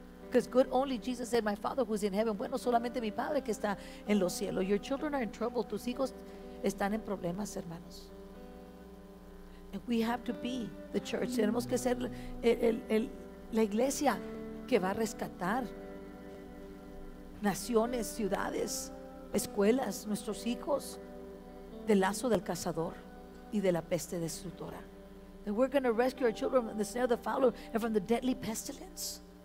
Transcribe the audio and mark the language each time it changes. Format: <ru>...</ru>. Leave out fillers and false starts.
<en>Because good only Jesus said, my Father who is in heaven.</en> <es>Bueno, solamente mi Padre que está en los cielos.</es> <en>Your children are in trouble.</en> <es>Tus hijos están en problemas, hermanos.</es> <en>And we have to be the church.</en> <es>Tenemos que ser la iglesia que va a rescatar naciones, ciudades, escuelas, nuestros hijos del lazo del cazador y de la peste destructora.</es> <en>That we're going to rescue our children from the snare of the fowler and from the deadly pestilence.</en>